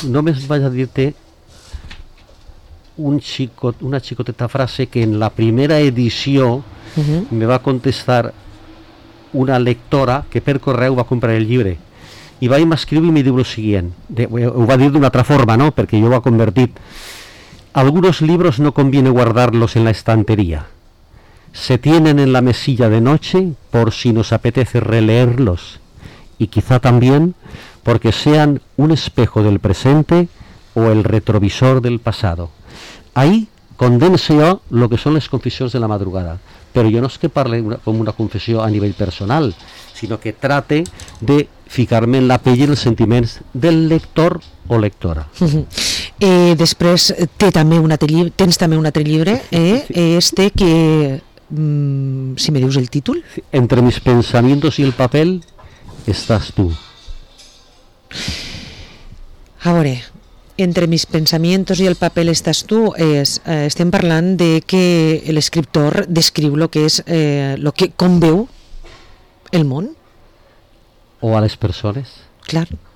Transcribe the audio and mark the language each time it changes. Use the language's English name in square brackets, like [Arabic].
[Catalan] Només vaig a dir-te una xicoteta frase que en la primera edició me va contestar una lectora que per correu va comprar el llibre. I va i m'escriu i me diu el següent, ho va dir d'una altra forma, no? Perquè jo ho ha convertit. [Spanish] Algunos libros no conviene guardarlos en la estantería. Se tienen en la mesilla de noche por si nos apetece releerlos. Y quizá también porque sean un espejo del presente o el retrovisor del pasado. Ahí condense yo lo que son las confesiones de la madrugada. [Catalan] Però jo no és que parli com una confessió a nivell personal, sinó que trate de ficar-me en la pell i els sentiments del lector o lectora. Després tens també un altre llibre, este que, si me dius el títol... [Spanish] Entre mis pensamientos y el papel estás tú. [Catalan] A veure, [Spanish] entre mis pensamientos y el papel estás tú, [Catalan] estem parlant de que l'escriptor descriu lo que és, lo que com veu el món. O a les persones. Clar.